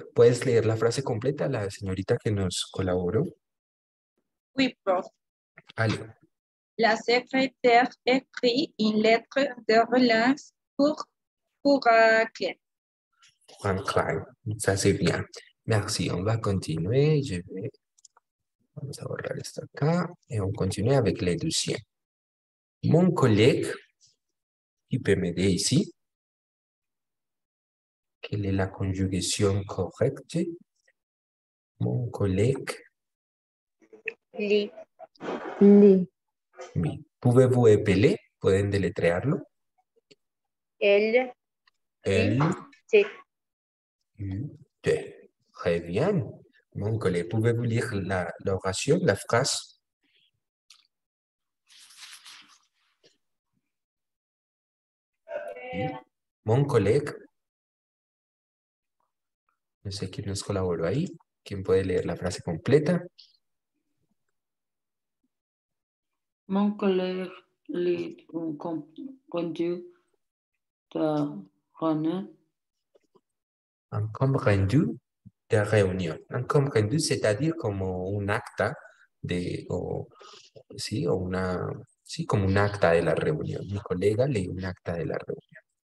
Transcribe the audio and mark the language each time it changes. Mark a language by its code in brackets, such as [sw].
[es] ¿Puedes leer la frase completa, la señorita que nos colaboró? [fr] Oui, prof. Allez. La secrétaire écrit une lettre de relance pour Klein. Pour Klein. Ça, c'est bien. Merci, on va continuer. Je vais... [es] Vamos a borrar esto acá. [fr] Y on continue avec le dossier. Mon collègue, qui peut m'aider ici? Quelle est la conjugación correcte? Mon collègue. Li. Li. Oui. Pouvez-vous épeler? [es] ¿Pueden deletrearlo? El. El. Sí. [fr] U-te. Très bien. Mon collègue, pouvez-vous lire l'oration, la phrase? Mon collègue. [es] No sé quién nos colaboró ahí. ¿Quién puede leer la frase completa? [fr] Mon collègue lit un compte de René. Un compte rendu. [es] De reunión. [fr] Un comprendu, c'est-à-dire [es] como un acta de, o, sí, o una, sí, como un acta de la reunión. Mi colega lee un acta de la reunión.